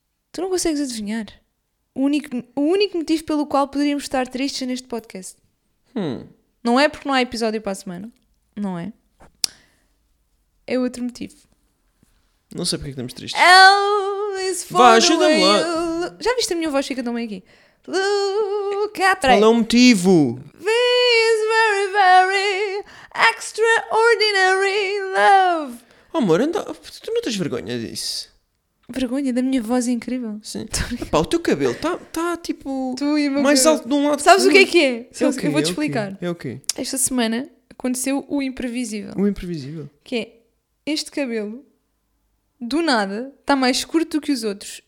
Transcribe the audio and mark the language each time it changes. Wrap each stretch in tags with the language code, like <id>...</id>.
<pt>Tu não consegues adivinhar. O único motivo pelo qual poderíamos estar tristes é neste podcast. Não é porque não há episódio para a semana. Não é. É outro motivo. Não sei porquê que estamos tristes. Elvis, vá, ajuda-me lá. Já viste a minha voz? Fica também aqui. Qual é o motivo?</pt> <en>This very, very extraordinary love.</en> <pt>Oh, amor, anda... tu não tens vergonha disso? Vergonha da minha voz incrível? Sim. Epá, o teu cabelo está tipo tu e mais cabelo. Alto de um lado. Sabes o que é que é? É okay, eu vou-te explicar. É o quê? Esta semana aconteceu o imprevisível. O imprevisível? Que é este cabelo, do nada, está mais curto do que os outros.</pt>